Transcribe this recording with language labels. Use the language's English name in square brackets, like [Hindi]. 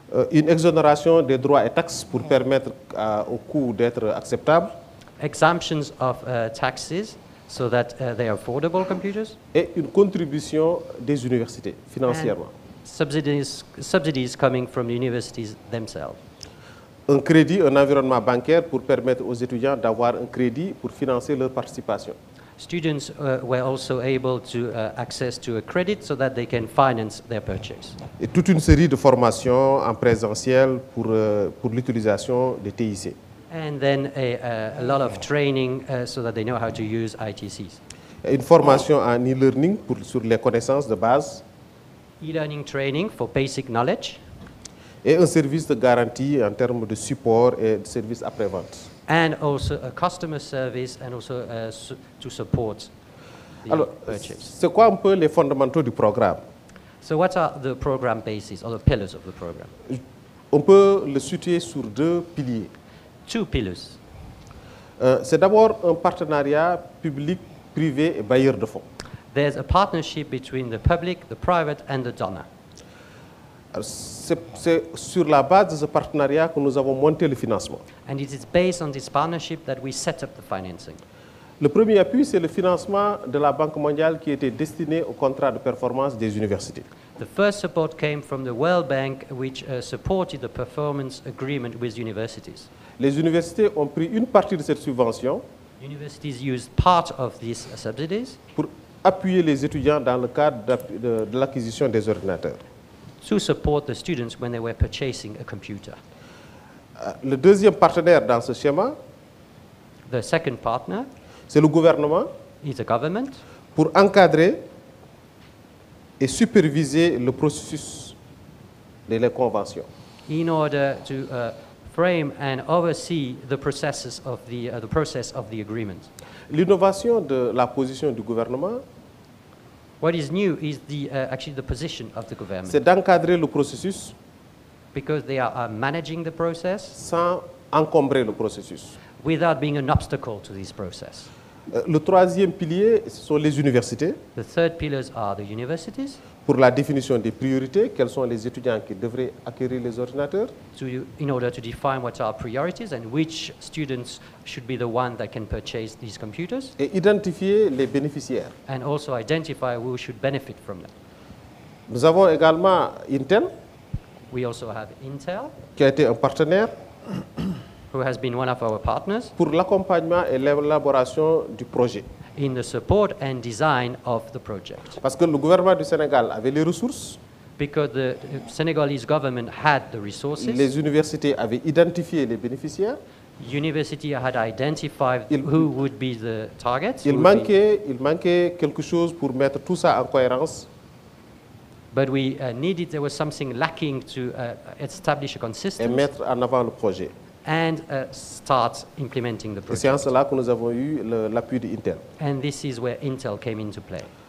[French] Une exonération des droits et taxes pour permettre au coût d'être acceptable. [English] Exemptions of taxes so that they are affordable computers. [French] Et une contribution des universités financièrement. [English] And subsidies coming from the universities themselves. [French] Un crédit, un environnement bancaire pour permettre aux étudiants d'avoir un crédit pour financer leur participation. [English] Students were also able to access to a credit so that they can finance their purchase. [French] Et toute une série de formations en présentiel pour l'utilisation des TIC. [English] And then a lot of training so that they know how to use ITCs. [French] Et une formation en e-learning sur les connaissances de base. [English] E-learning training for basic knowledge. [French] Et un service de garantie en termes de support et de service après-vente. [English] And also a customer service and also to support the [French] Alors, [English] purchase. [French] C'est quoi un peu les fondamentaux du programme? [English] So what are the program bases or the pillars of the program? [French] On peut le situer sur deux piliers. [English] Two pillars. [French] C'est d'abord un partenariat public-privé et bailleur de fonds. [English] There's a partnership between the public, the private and the donor. [French] C'est sur la base de ce partenariat que nous avons monté le financement. [English] And it is based on this partnership that we set up the financing. [French] Le premier appui, c'est le financement de la Banque mondiale qui était destiné au contrat de performance des universités. [English] The first support came from the World Bank, which supported the performance agreement with universities. [French] Les universités ont pris une partie de cette subvention. [English] Universities used part of these subsidies. [French] Pour appuyer les étudiants dans le cadre de l'acquisition des ordinateurs. [English] To support the students when they were purchasing a computer. [French] Le deuxième partenaire dans ce schéma, [English] the second partner, [French] c'est le gouvernement, [English] is a government, [French] pour encadrer et superviser le processus de la convention. [English] In order to frame and oversee the processes of the process of the agreement. [French] L'innovation de la position du gouvernement. [English] What is new is the position of the government. [French] C'est d'encadrer le processus. [English] because they are managing the process. [French] Sans encombrer le processus. [English] Without being an obstacle to this process. [French] Le troisième pilier, ce sont les universités. [English] The third pillars are the universities. [French] Pour la définition des priorités, quels sont les étudiants qui devraient acquérir les ordinateurs? [English] In order to define what are priorities and which students should be the one that can purchase these computers. [French] Et identifier les bénéficiaires. [English] And also identify who should benefit from them. [French] Nous avons également Intel. [English] We also have Intel. [French] Qui a été un partenaire. [English] Who has been one of our partners. [French] Pour l'accompagnement et l'élaboration du projet. [English] In the support and design of the project. [French] Parce que le gouvernement du Sénégal avait les ressources. [English] Because the Senegalese government had the resources. [French] Les universités avaient identifié les bénéficiaires. [English] University had identified who would be the target. [French] Il manquait quelque chose pour mettre tout ça en cohérence. [English] But we needed, there was something lacking to establish a consistency. [French] Et mettre en avant le projet. [English] And start implementing the project. [French] C'est en cela que nous avons eu l'appui d'Intel. [English] And this is where Intel came into play.